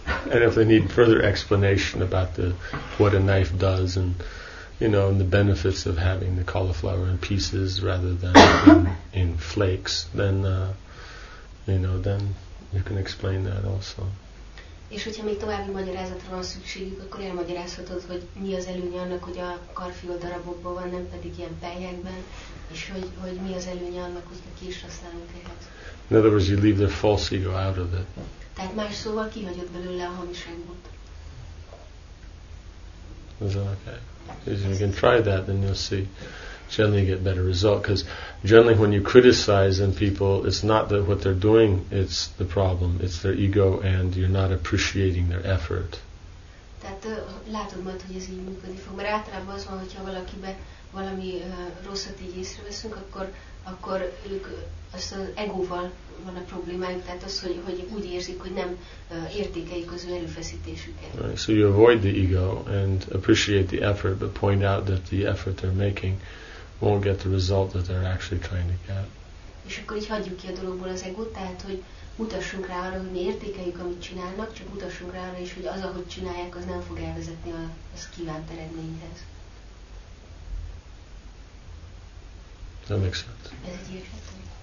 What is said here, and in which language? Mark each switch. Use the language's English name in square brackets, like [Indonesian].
[English] And if they need further explanation about what a knife does, and, you know, and the benefits of having the cauliflower in pieces rather than in flakes, then, you know, then you can explain that also. [Hungarian] És hogyha még további magyarázatra van szükségük, akkor elmagyarázhatod, hogy mi az előnye annak, hogy a karfiol darabokban van, nem pedig ilyen pelyekben, és hogy mi az előnye annak, hogy a kés használunk ehhez. [English] In other words, you leave the false ego out of it. [Hungarian] Tehát más szóval kihagyod belőle a hamiságot. [English] Is that okay? If you can try that, then you'll see. Generally, you get better result. Because generally, when you criticize them, people, it's not that what they're doing it's the problem. It's their ego, and you're not appreciating their effort. [Hungarian] Tehát látod majd, hogy ez így működni fog. Mert általában az van, hogyha valakibe valami rosszat így észreveszünk, akkor ők azt az egóval van a problémájuk. Tehát az, hogy úgy érzik, hogy nem értékeik az ő erőfeszítésüket. [English] Right. So you avoid the ego and appreciate the effort, but point out that the effort they're making won't get the result that they're actually trying to get. [Hungarian] És akkor így hagyjuk ki a dologból az egót, tehát hogy mutassunk rá arra, hogy mi értékeljük, amit csinálnak, csak mutassunk rá arra is, hogy az, ahogy csinálják, az nem fog elvezetni az kívánt eredményhez. [English] That makes sense. [Hungarian] Ez egy érthető.